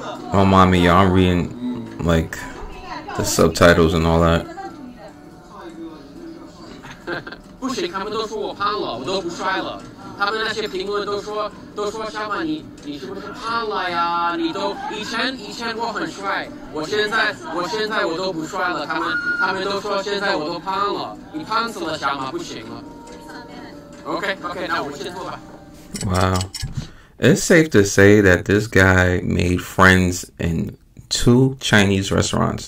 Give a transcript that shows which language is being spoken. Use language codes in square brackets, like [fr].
[en] Oh, mommy, y'all reading like the subtitles and all that. [zh] 不行，他们都说我胖了，我都不帅了。他们那些评论都说小马你是不是胖了呀？你都以前我很帅，我现在我都不帅了。他们都说现在我都胖了，你胖死了小马不行了。 OK， 那我们先坐吧。 [en] Wow, it's safe to say that this guy made friends in two Chinese restaurants.